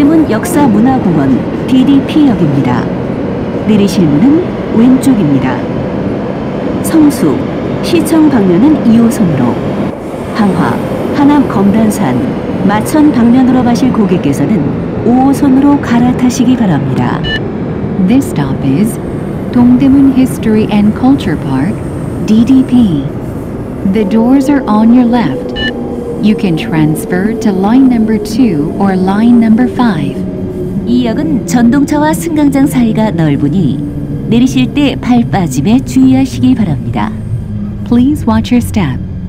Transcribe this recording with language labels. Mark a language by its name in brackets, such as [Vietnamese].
[Korean] 역사문화공원 DDP역입니다. 내리실 문은 왼쪽입니다. 성수, 시청 방면은 2호선으로 방화, 하남 검단산, 마천 방면으로 가실 고객께서는 5호선으로 갈아타시기 바랍니다. [English] This stop is 동대문 History and Culture Park, DDP. The doors are on your left. You can transfer to line number 2 or line number 5. [Korean] 이 역은 전동차와 승강장 사이가 넓으니 내리실 때 발 빠짐에 주의하시기 바랍니다. [English] Please watch your step.